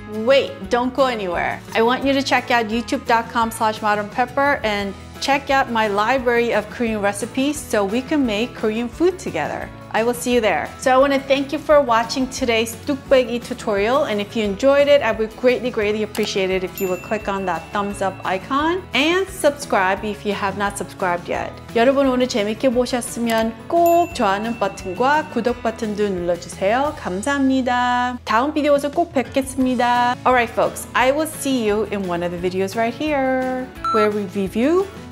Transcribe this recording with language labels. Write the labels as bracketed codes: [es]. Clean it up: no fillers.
[en] Wait, don't go anywhere. I want you to check out youtube.com/modernpepper and check out my library of Korean recipes so we can make Korean food together. I will see you there. So I want to thank you for watching today's ttukbaegi tutorial. And if you enjoyed it, I would greatly, greatly appreciate it if you would click on that thumbs up icon and subscribe if you have not subscribed yet. [ko] 여러분 오늘 재밌게 보셨으면 꼭 좋아하는 버튼과 구독 버튼도 눌러주세요. 감사합니다. 다음 비디오에서 꼭 뵙겠습니다. [en] All right, folks, I will see you in one of the videos right here where we review.